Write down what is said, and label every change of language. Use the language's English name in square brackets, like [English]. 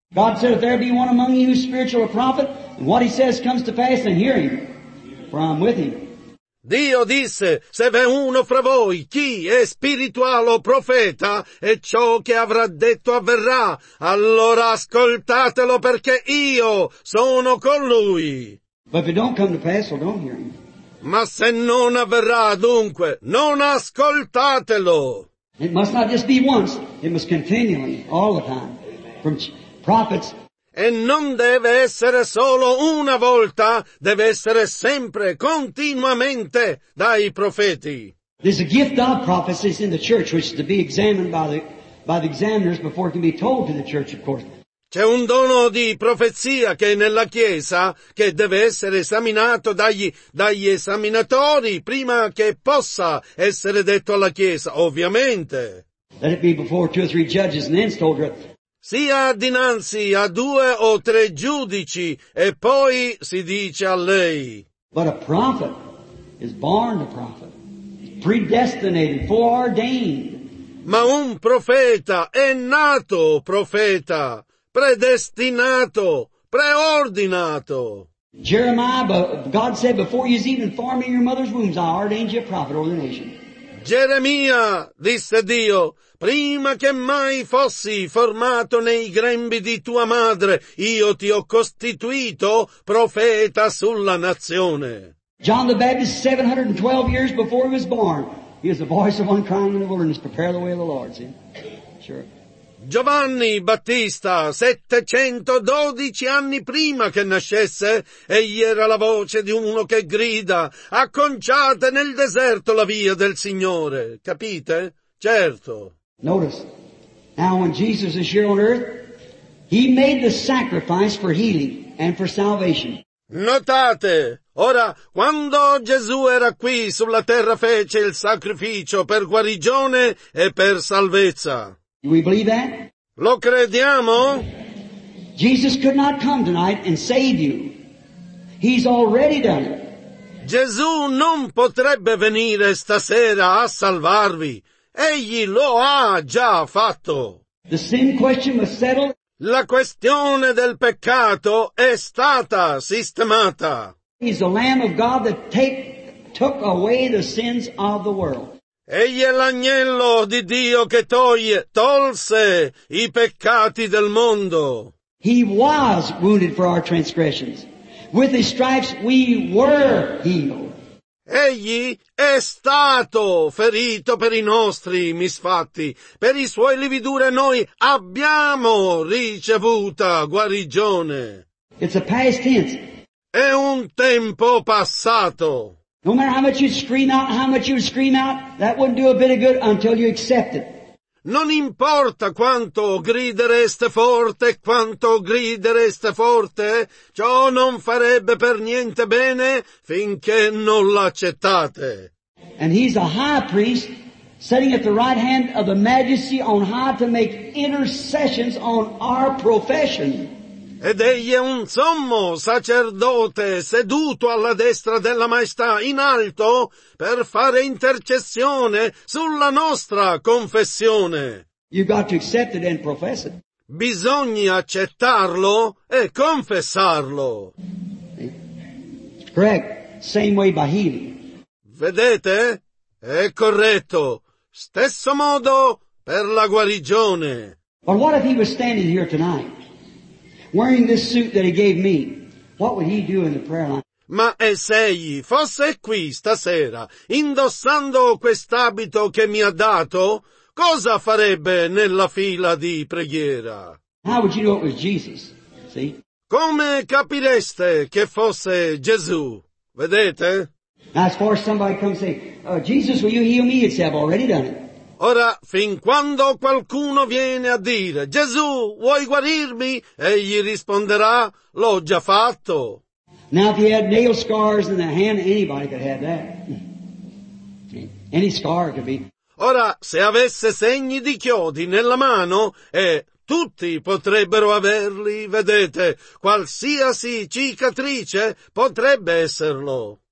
[English] God said, if there be one among you spiritual or prophet, and what he says comes to pass, then hear him, for I'm with him. [Italian] Dio disse, se v'è uno fra voi, chi è spirituale o profeta, e ciò che avrà detto avverrà, allora ascoltatelo perché io sono con lui. [English] But if it don't come to pass, well, don't hear him. [Italian] Ma se non avverrà, dunque, non ascoltatelo. [English] It must not just be once, it must continually, all the time, from prophets. [Italian] e non deve essere solo una volta, deve essere sempre, continuamente, dai profeti. [English] There's a gift of prophecy in the church which is to be examined by the examiners before it can be told to the church, of course. [Italian] C'è un dono di profezia che è nella Chiesa, che deve essere esaminato dagli esaminatori prima che possa essere detto alla Chiesa, ovviamente. [English] Let it be before two or three judges and then told her. [Italian] Sia dinanzi a due o tre giudici e poi si dice a lei. [English] But a prophet is born a prophet, predestinated, foreordained. [Italian] Ma un profeta è nato profeta, predestinato, preordinato. [English] Jeremiah, God said, before you even formed in your mother's wombs, I ordained you a prophet over the nation. [Italian] Geremia, disse Dio, prima che mai fossi formato nei grembi di tua madre, io ti ho costituito profeta sulla nazione. [English] John the Baptist, 712 years before he was born, he was the voice of one crying in the wilderness, prepare the way of the Lord. See? Sure. [Italian] Giovanni Battista, 712 anni prima che nascesse, egli era la voce di uno che grida, acconciate nel deserto la via del Signore. Capite? Certo. [English] Notice, now when Jesus is here on earth, he made the sacrifice for healing and for salvation. [Italian] Notate, ora, quando Gesù era qui sulla terra fece il sacrificio per guarigione e per salvezza. [English] Do we believe that? [Italian] Lo crediamo? [English] Jesus could not come tonight and save you. He's already done it. [Italian] Gesù non potrebbe venire stasera a salvarvi. Egli lo ha già fatto. [English] The sin question was settled. [Italian] La questione del peccato è stata sistemata. [English] He's the Lamb of God that took away the sins of the world. [Italian] Egli è l'agnello di Dio che tolse i peccati del mondo. [English] He was wounded for our transgressions. With his stripes we were healed. [Italian] Egli è stato ferito per i nostri misfatti. Per i suoi lividure noi abbiamo ricevuta guarigione. [English] It's a past tense. [Italian] È un tempo passato. [English] No matter how much you scream out, how much you scream out, that wouldn't do a bit of good until you accept it. [Italian] Non importa quanto gridereste forte, quanto gridereste forte, ciò non farebbe per niente bene finché non l'accettate. [English] And he's a high priest sitting at the right hand of the majesty on high to make intercessions on our profession. [Italian] Ed egli è un sommo sacerdote seduto alla destra della maestà in alto per fare intercessione sulla nostra confessione. [English] You've got to accept it and profess it. [Italian] Bisogna accettarlo e confessarlo. [English] Correct. Same way by healing. [Italian] Vedete? È corretto. Stesso modo per la guarigione. [English] But what if he was standing here tonight? Wearing this suit that he gave me, what would he do in the prayer line? [Italian] Ma e se egli fosse qui stasera, indossando quest'abito che mi ha dato, cosa farebbe nella fila di preghiera? [English] How would you know it was Jesus? See? [Italian] Come capireste che fosse Gesù? Vedete? [English] Now, as far as somebody comes and say, Jesus, will you heal me? He'd say, I've already done it. [Italian] Ora, fin quando qualcuno viene a dire, Gesù, vuoi guarirmi? Egli risponderà, l'ho già fatto. [English] Now if he had nail scars in the hand, anybody could have that. Any scar could be. [Italian] Ora, se avesse segni di chiodi nella mano, tutti potrebbero averli, vedete, qualsiasi cicatrice potrebbe esserlo.